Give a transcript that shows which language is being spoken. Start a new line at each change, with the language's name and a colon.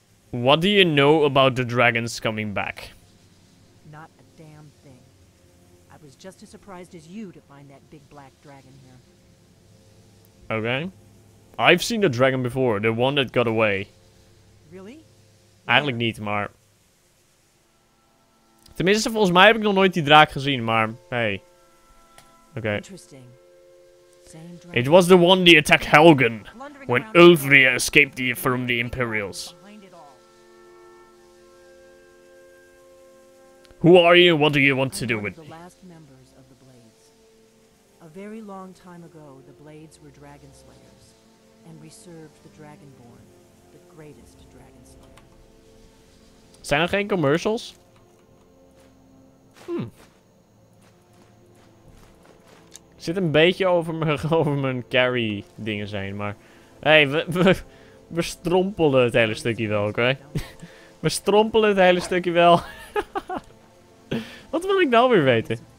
English: What do you know about the dragons coming back? Not a damn thing. I was just as surprised as you to find that big black dragon here. Okay. I've seen the dragon before, the one that got away. Really?
Dutch: Eigenlijk niet, maar... Tenminste, volgens mij heb ik nog nooit die draak gezien, maar...
English: Hey. Okay. Interesting. It was the one that attacked Helgen when Ulfria escaped from the Imperials. Who are you? What do you want to do with me? The last members of the Blades. A very long time ago, the Blades were dragon slayers, and we served the Dragonborn, the greatest dragon slayer.
Dutch: Zijn er geen commercials? Hmm. Zit een beetje over mijn carry dingen zijn, maar... Hey, we strompelen het hele stukje wel, oké? Okay? We strompelen het hele stukje wel. Wat wil ik nou weer weten?